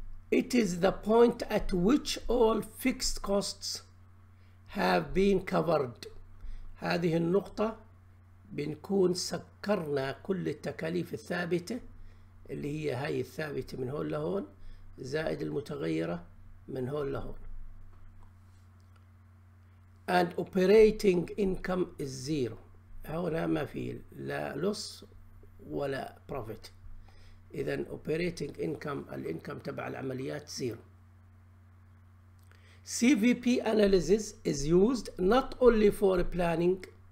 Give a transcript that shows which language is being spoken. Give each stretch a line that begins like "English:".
English: It is the point at which all fixed costs have been covered.
Arabic: هذه النقطة بنكون سكرنا كل التكاليف الثابتة اللي هي هاي الثابتة من هون لهون زائد المتغيرة من هون لهون.
English: And operating income is zero.
Arabic: هنا ما في لا loss ولا profit. إذا operating income الإنكم تبع العمليات zero.
English: CVP analysis is used not only for planning.